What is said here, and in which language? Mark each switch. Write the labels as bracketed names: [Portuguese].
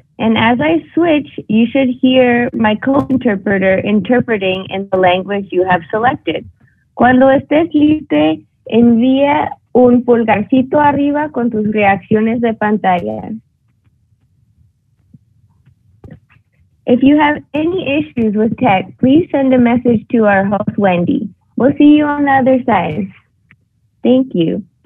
[English] And as I switch, you should hear my co-interpreter interpreting in the language you have selected. [Spanish] Cuando estés listo, envía un pulgarcito arriba con tus reacciones de pantalla. [English] If you have any issues with tech, please send a message to our host, Wendy. We'll see you on the other side. Thank you.